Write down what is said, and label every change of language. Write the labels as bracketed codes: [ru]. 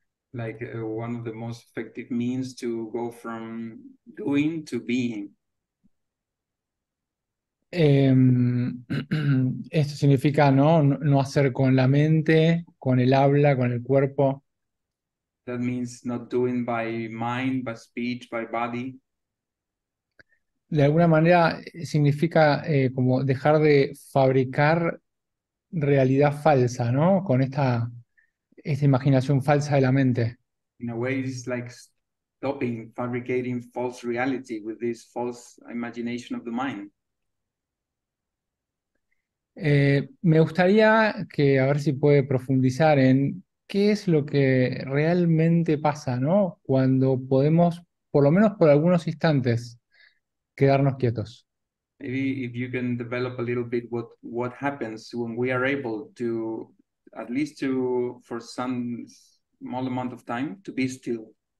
[en] Like one of the most effective means to go from doing to being. [es] Esto significa, ¿no? No hacer con la mente, con el habla, con el cuerpo. [en] That means not doing by mind, by speech, by body. [es] De alguna manera significa como dejar de fabricar realidad falsa, ¿no? Con esta imaginación falsa de la mente. [en] In a way, it's like stopping fabricating false reality with this false imagination of the mind. [es] Me gustaría que a ver si puede profundizar en qué es lo que realmente pasa, ¿no? Cuando podemos, por lo menos por algunos instantes, quedarnos quietos. [en] Maybe if you can develop a little bit what happens when we are able to, at least to, for some small amount of time, to be still.